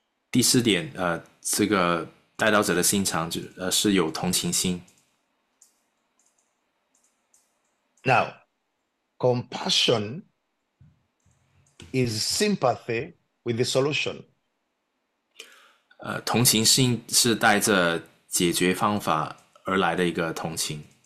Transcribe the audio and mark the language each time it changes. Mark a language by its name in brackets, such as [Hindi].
[Chinese] 第四点，这个代祷者的心肠就是有同情心。 [English] Now, compassion is sympathy with the solution. [Chinese] 同情心是带着解决方法而来的一个同情。